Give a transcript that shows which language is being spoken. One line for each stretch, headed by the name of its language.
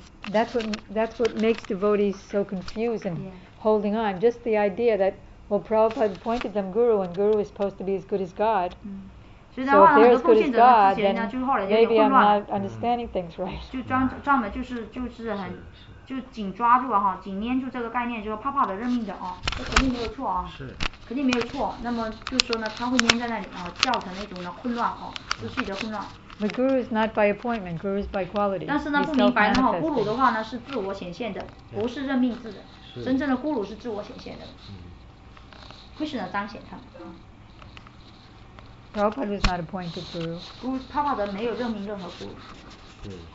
English: That's what makes devotees so confused and holding on. Just the idea that, well, Prabhupada appointed them guru, and guru is supposed to be as good as God. So if they're as good as God, then maybe I'm not understanding things right.
Chinese: 就专门就是很就紧抓住啊哈，紧捏住这个概念，就是帕帕的任命的啊，这肯定没有错啊。是。肯定没有错，那么就说呢，他会黏在那里啊，造成那种的混乱哦，秩序的混乱。
English: The guru is not by appointment, guru is by quality.
Chinese: 但是呢，不明白的话，咕噜的话呢是自我显现的，不是任命制的。真正的咕噜是自我显现的。 Krishna 彰显他。
English: Prabhupada is not appointed guru.
Chinese: 帕帕德没有任命任何咕噜。